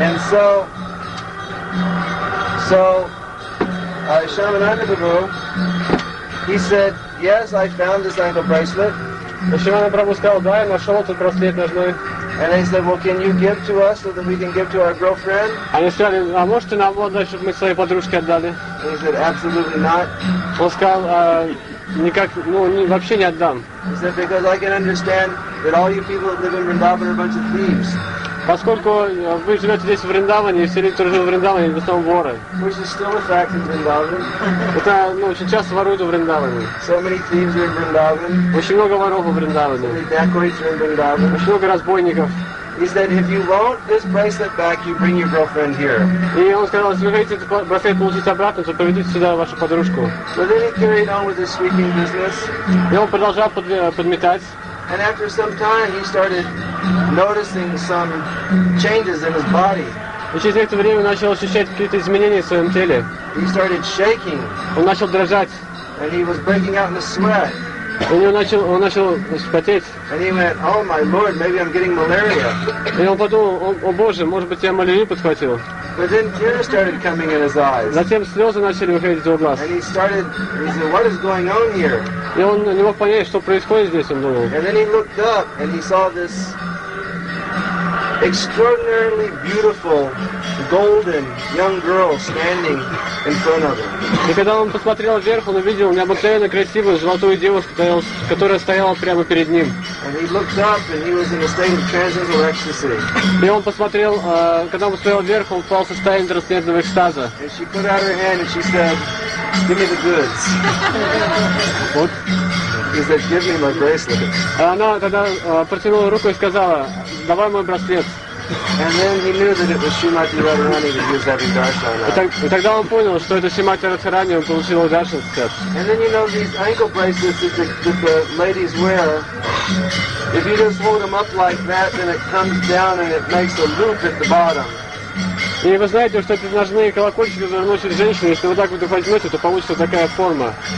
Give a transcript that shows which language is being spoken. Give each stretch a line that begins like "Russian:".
English: And so Shyamananda Prabhu, he said, yes, I found this ankle bracelet. And they said, well, can you give to us so that we can give to our girlfriend?
Russian: Они сказали, а можете нам отдать, чтобы мы своей подружке отдали?
English: He said, absolutely not.
Russian: Он сказал, никак, ну, вообще не отдам.
English: He said, because I can understand that all you people that live in Vrindavan are a bunch of thieves.
Russian: Поскольку вы живете здесь в Вриндаване, и все люди, которые живут в Вриндаване, в основном воры.
English: Which is still a fact in Vrindavan.
Russian: Это, ну, очень часто воруют в Вриндаване.
English: So many thieves are in Vrindavan.
Russian: Очень много воров в Вриндаване.
English: So many dacoits are in Vrindavan.
Russian: Очень много разбойников.
English: He said, if you want this bracelet back, you bring your girlfriend here.
Russian: И он сказал, если вы хотите этот браслет получить обратно, то приведите сюда вашу подружку.
English: So then he carried on with his sweeping business.
Russian: И он продолжал подметать.
English: And after some time, he started noticing some changes in his body.
Russian: И через некоторое время начал ощущать какие-то изменения в своем теле.
English: He started shaking.
Russian: Он начал дрожать.
English: And he was breaking out in a sweat.
Russian: И он начал вспотеть.
English: And he went, oh my lord, maybe I'm getting malaria.
Russian: И он подумал, о боже, может быть я малярию подхватил.
English: But then tears started coming in his eyes.
Russian: Затем слезы начали выходить из его глаз.
English: And he said, what is going on here?
Russian: И он не мог понять, что происходит здесь, он думал.
English: And then he looked up and he saw this extraordinarily beautiful golden young girl standing in front of him.
Russian: И когда он посмотрел вверх, он увидел необыкновенно красивую золотую девушку, которая стояла прямо перед ним.
English: And he looked up, and he was in a state of transcendental ecstasy.
Russian: И он посмотрел, когда он посмотрел вверх, он упал в состояние трансцендентного экстаза.
English: And she put out her hand and she said, "Give me the goods." What? He said, "Give me my bracelet."
Russian: Она тогда протянула руку и сказала, "Давай мой браслет."
English: And then he knew that it was Srimati Radharani that he was having darshan of.
Russian: И тогда он понял, что это Шримати Радхарани, он получил даршан сет.
English: And then you know these ankle bracelets that the ladies wear, if you just hold them up like that, then it comes down and it makes a loop at the bottom.
Russian: И вы знаете, что эти ножные колокольчики заносят женщины, если вы так вот их возьмете, то получится такая форма.